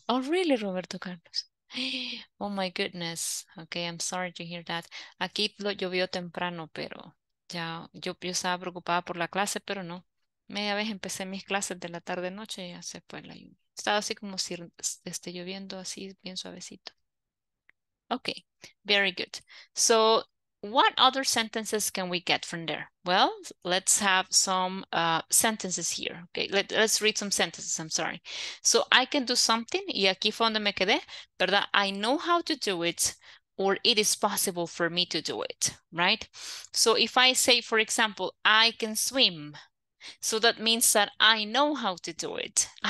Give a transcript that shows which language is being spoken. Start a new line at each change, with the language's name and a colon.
English: Oh, really, Roberto Carlos? Oh, my goodness. Okay, I'm sorry to hear that.
Spanish: Aquí lo llovió temprano, pero ya yo estaba preocupada por la clase, pero no. Media vez empecé mis clases de la tarde-noche y ya se fue la lluvia. Estaba así como si esté lloviendo así, bien suavecito.
English: Okay, very good. So, what other sentences can we get from there? Well, let's have some sentences here. Okay, let's read some sentences, I'm sorry. So I can do something,
Spanish: y aquí fue donde me quedé, ¿verdad?
English: I know how to do it, or it is possible for me to do it, right? So if I say, for example, I can swim, so that means that I know how to do it.